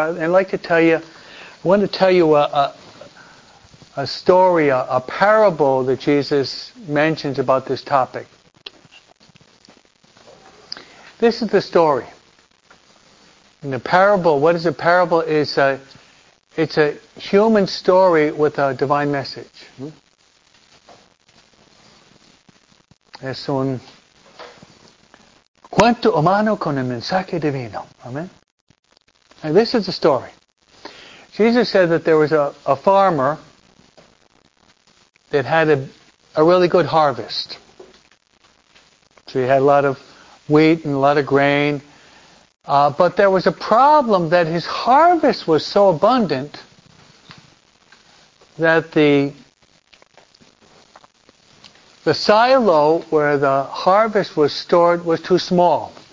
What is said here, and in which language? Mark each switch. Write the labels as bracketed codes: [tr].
[en] I'd like to tell you, I want to tell you a story, a parable that Jesus mentions about this topic. This is the story. In the parable, what is a parable? It's a human story with a divine message. [es] Es un cuento humano con un mensaje divino. [en] Amen. And this is the story. Jesus said that there was a farmer that had a really good harvest. So he had a lot of wheat and a lot of grain. But there was a problem that his harvest was so abundant that the silo where the harvest was stored was too small.